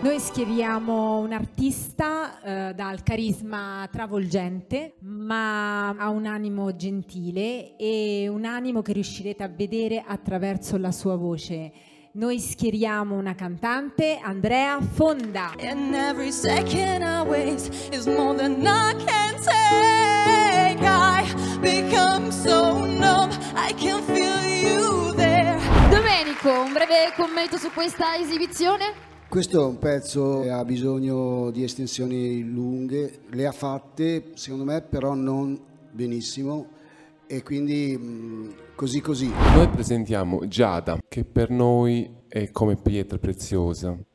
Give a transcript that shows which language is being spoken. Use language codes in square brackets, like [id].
[it] Noi schieriamo un artista dal carisma travolgente, ma ha un animo gentile e un animo che riuscirete a vedere attraverso la sua voce. Noi schieriamo una cantante, Andrea Fonda. [en] And every second I waste is more than I can take. I become so numb, I can feel you there. [it] Domenico, un breve commento su questa esibizione? Questo è un pezzo che ha bisogno di estensioni lunghe, le ha fatte, secondo me, però non benissimo. E quindi così così. Noi presentiamo Giada, che per noi è come pietra preziosa.